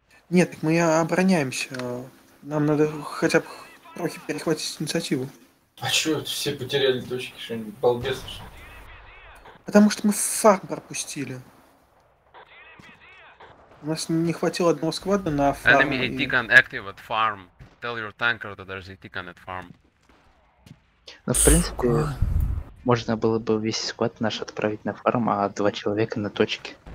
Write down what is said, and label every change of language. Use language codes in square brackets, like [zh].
[ru] Нет, так мы обороняемся. Нам надо хотя бы трохи перехватить инициативу. А чё, все потеряли точки, что они балбесы? Потому что мы фарм пропустили. У нас не хватило одного сквада на фарм. [en] Enemy ATK active at farm. Tell your tanker that there's a tick on that farm. [ru] Ну, в принципе, можно было бы весь склад наш отправить на фарм, а два человека на точке.